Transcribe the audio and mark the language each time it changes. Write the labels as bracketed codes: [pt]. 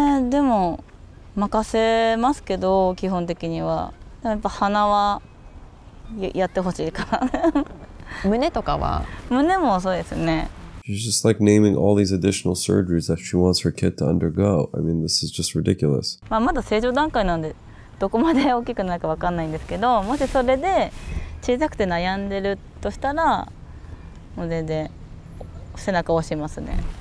[ja] でも任せますけど、基本的にはやっぱ鼻はやってほしいかな。胸とかは？胸もそうですね。 [en] She's just like naming all these additional surgeries that she wants her kid to undergo. I mean, this is just ridiculous. [ja] まあまだ正常段階なんで、どこまで大きくなるか分かんないんですけど、もしそれで小さくて悩んでるとしたら、もう全然背中を押しますね。